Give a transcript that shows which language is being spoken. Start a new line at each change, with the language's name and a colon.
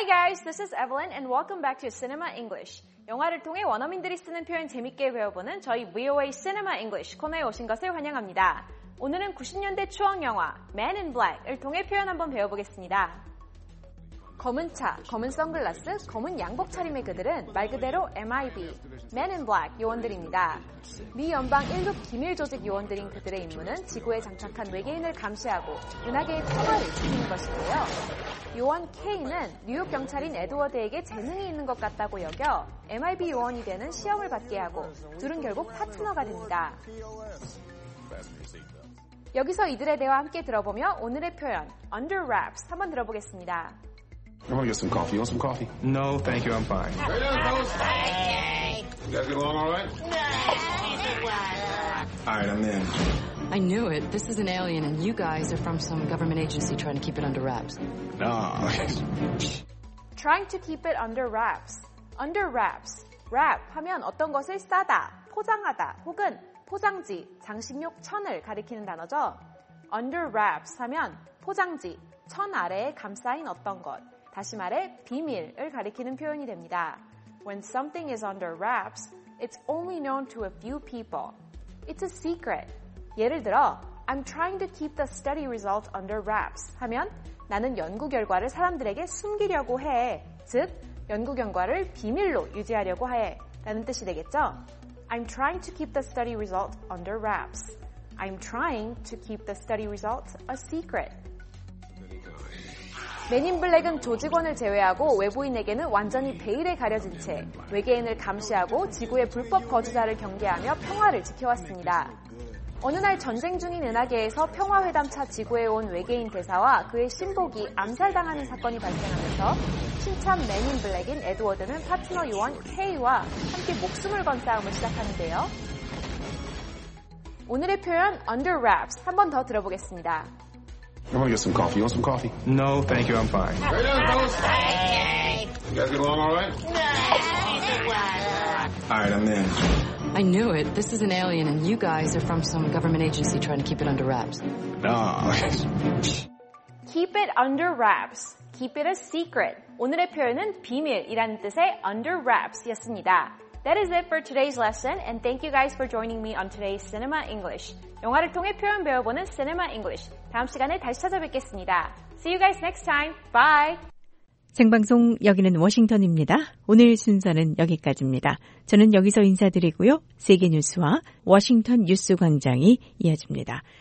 English: Guys, this is Evelyn and welcome back to Cinema English.
Korean: 영화를 통해 원어민들이 쓰는 표현 재밌게 배워보는 저희 VOA Cinema English 코너에 오신 것을 환영합니다. 오늘은 90년대 추억 영화 Man in Black을 통해 표현 한번 배워보겠습니다. 검은 차, 검은 선글라스, 검은 양복 차림의 그들은 말 그대로 MIB, Man in Black 요원들입니다. 미 연방 1급 기밀 조직 요원들인 그들의 임무는 지구에 장착한 외계인을 감시하고 은하계의 평화를 지키는 것인데요. 요원 K는 뉴욕 경찰인 에드워드에게 재능이 있는 것 같다고 여겨 MIB 요원이 되는 시험을 받게 하고 둘은 결국 파트너가 됩니다. 여기서 이들의 대화 함께 들어보며 오늘의 표현 Under Wraps 한번 들어보겠습니다.
English: I'm gonna get some coffee. You want some coffee? No, thank you. I'm fine. You guys get along all right? All right, I'm in. I knew it. This is an alien, and you guys are from some government agency trying to keep it under wraps. Trying to keep it under wraps. Under wraps.
Korean: Wrap 하면 어떤 것을 싸다, 포장하다, 혹은 포장지, 장식용 천을 가리키는 단어죠. Under wraps 하면 포장지, 천 아래에 감싸인 어떤 것. 다시 말해 비밀을 가리키는 표현이 됩니다.
English: When something is under wraps, it's only known to a few people. It's a secret.
Korean: 예를 들어,
English: I'm trying to keep the study result under wraps
Korean: 하면 나는 연구 결과를 사람들에게 숨기려고 해. 즉, 연구 결과를 비밀로 유지하려고 해. 라는 뜻이 되겠죠?
English: I'm trying to keep the study result under wraps. I'm trying to keep the study result a secret.
Korean: 맨인블랙은 조직원을 제외하고 외부인에게는 완전히 베일에 가려진 채 외계인을 감시하고 지구의 불법 거주자를 경계하며 평화를 지켜왔습니다. 어느 날 전쟁 중인 은하계에서 평화회담차 지구에 온 외계인 대사와 그의 신복이 암살당하는 사건이 발생하면서 신참 맨인블랙인 에드워드는 파트너 요원 K와 함께 목숨을 건 싸움을 시작하는데요. 오늘의 표현 Under Wraps 한 번 더 들어보겠습니다.
English: I'm gonna get some coffee. You want some coffee? No, thank you. I'm fine. Hey, you guys get along all right? All right, I'm in. I knew it. This is an alien, and you guys are from some government agency trying to keep it under wraps. Keep it under wraps. Keep it a secret.
Korean: 오늘의 표현은 비밀이라는 뜻의 under wraps였습니다.
English: That is it for today's lesson, and thank you guys for joining me on today's Cinema English.
Korean: 영화를 통해 표현 배워보는 Cinema English. 다음 시간에 다시 찾아뵙겠습니다.
English: See you guys next time. Bye!
Korean: 생방송 여기는 워싱턴입니다. 오늘 순서는 여기까지입니다. 저는 여기서 인사드리고요. 세계뉴스와 워싱턴 뉴스광장이 이어집니다.